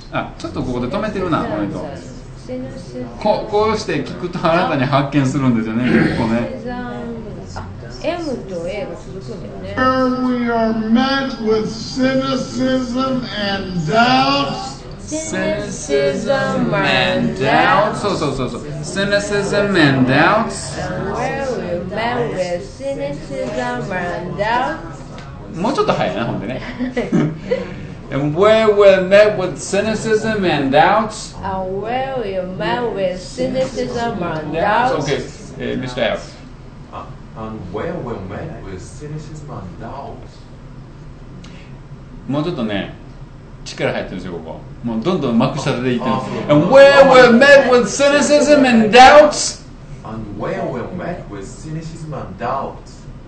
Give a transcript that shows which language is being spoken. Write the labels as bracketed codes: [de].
[ja] あ、ちょっとここで止めてるな、この人。こうして聞くと新たに発見するんですよね、結構ね。 M と A が続くんだよね。 [en] Where we are met with cynicism and doubts. Cynicism and doubts. [ja] そうそうそうそう。 [en] Cynicism and doubts. Where we are met with cynicism and doubts. [ja] もうちょっと早いな、ほんでね。 [en] And where we're met with cynicism and doubts. And where we're met with cynicism and doubts. Okay, Mr. F. And where we're met with cynicism and doubts. [ja] もうちょっとね、力入ってるんですよ、ここ。もうどんどん幕下でいってます。 [en] And where we're met with cynicism and doubts. And where we're met with cynicism and doubts.